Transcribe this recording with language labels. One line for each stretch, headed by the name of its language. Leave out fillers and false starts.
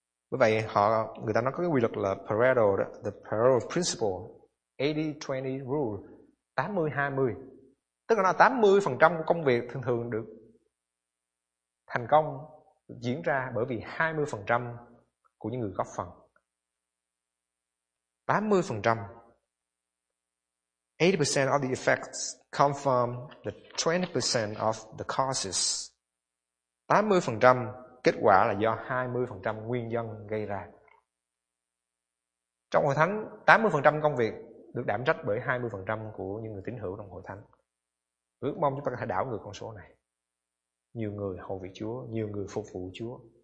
Vietnamese: Bởi vậy họ, người ta nói có cái quy luật là Pareto đó,
English: the Pareto principle, 80-20 rule,
Vietnamese: 80-20. Tức là 80% của công việc thường thường được thành công diễn ra bởi vì 20% của những người góp phần.
English: 80%, 80% of the effects come from the 20% of the causes.
Vietnamese: 80% kết quả là do 20% nguyên nhân gây ra. Trong hội thánh, 80% công việc được đảm trách bởi 20% của những người tín hữu trong hội thánh. Ước mong chúng ta có thể đảo ngược con số này. Nhiều người hầu việc Chúa, nhiều người phục vụ Chúa.